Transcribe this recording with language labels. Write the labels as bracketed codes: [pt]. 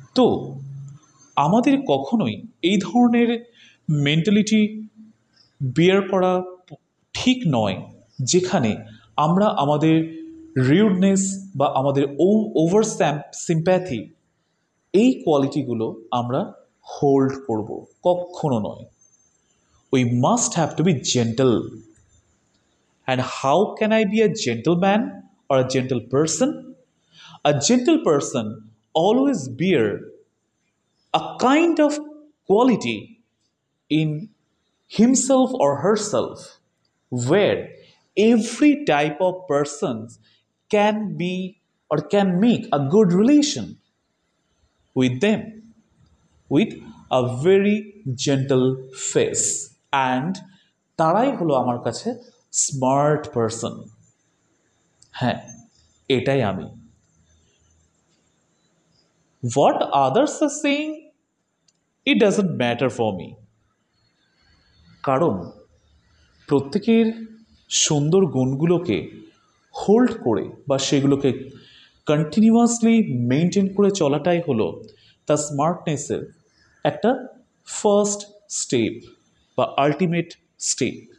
[bn] তো আমাদের কখনোই এই ধরনের মেন্টালিটি বিয়ার করা ঠিক নয়, যেখানে আমরা আমাদের রিউডনেস বা আমাদের ওভার সিম্প্যাথি এই কোয়ালিটিগুলো আমরা হোল্ড করব, কখনো নয়। [en] We must have to be gentle, and how can I be a gentle man or a gentle person? A gentle person always bear a kind of quality in himself or herself where every type of persons can be or can make a good relation with them with a very gentle face, and [bn] tarai holo amar kache smart person. Ha, etai ami. [en] What others are saying, it doesn't matter for me. [bn] কারণ প্রত্যেকের সুন্দর গুণগুলোকে hold করে বা সেগুলোকে continuously maintain করে চলাটাই হলো the স্মার্টনেসের একটা first step বা আলটিমেট স্টেপ।